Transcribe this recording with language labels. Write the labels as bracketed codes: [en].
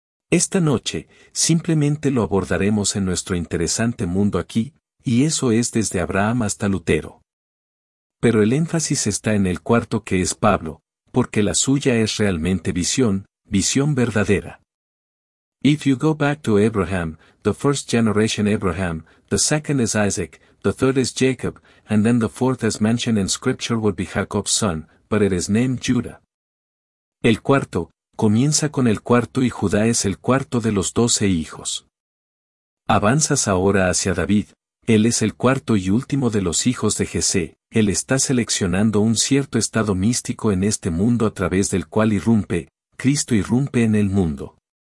[es] Esta noche, simplemente lo abordaremos en nuestro interesante mundo aquí, y eso es desde Abraham hasta Lutero. Pero el énfasis está en el cuarto que es Pablo, porque la suya es realmente visión, visión verdadera. [en] If you go back to Abraham, the first generation Abraham, the second is Isaac, the third is Jacob, and then the fourth as mentioned in scripture would be Jacob's son, but it is named Judah. [es] El cuarto, comienza con el cuarto y Judá es el cuarto de los 12 hijos. Avanzas ahora hacia David, él es el cuarto y último de los hijos de Jesé. Él está seleccionando un cierto estado místico en este mundo a través del cual irrumpe, Cristo irrumpe en el mundo.